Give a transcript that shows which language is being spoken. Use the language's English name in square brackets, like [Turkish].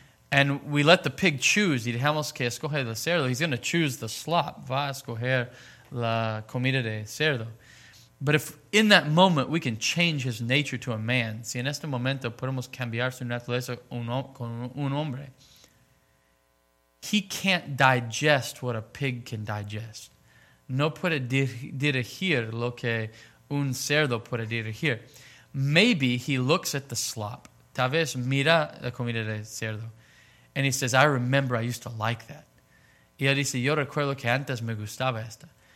[English] And we let the pig choose, [Spanish] y dejamos que escoge el cerdo, [English] he's going to choose the slop, [Spanish] va a escoger la comida de cerdo. [English] But if in that moment we can change his nature to a man, [Spanish] si en este momento podemos cambiar su naturaleza con un hombre, [English] he can't digest what a pig can digest. [Spanish] No puede digerir lo que un cerdo puede digerir. [English] Maybe he looks at the slop. [Spanish] Tal vez mira la comida de cerdo. [English] And he says, I remember I used to like that. [Spanish] Y él dice, yo recuerdo que antes me gustaba esta.